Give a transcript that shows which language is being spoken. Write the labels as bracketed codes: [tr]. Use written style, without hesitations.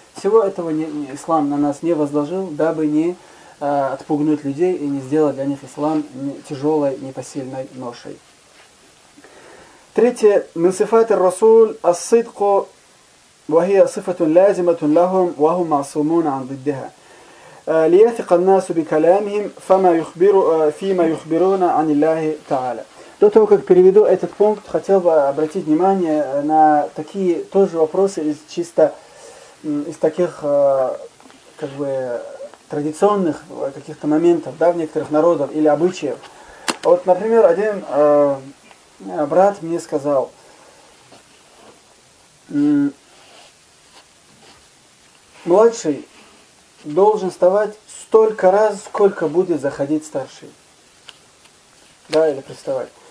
[ru] Всего этого ислам на нас не возложил, дабы не отпугнуть людей и не сделать для них ислам тяжелой, непосильной ношей. Третье. [ar] «Мин сифати ар-расуль ас-сидку ва хия сифатун лазиматун лахум ва хум маасумун ан диддиха». ليثق الناس بكلامهم فما يخبر فيما يخبرون عن الله تعالى. [ru] До того, как переведу этот пункт, хотел бы обратить внимание на такие тоже вопросы из чисто из таких как бы традиционных каких-то моментов, да, в некоторых народах или обычаев. Вот, например, один брат мне сказал: младший должен вставать столько раз, сколько будет заходить старший. Да, или приставать.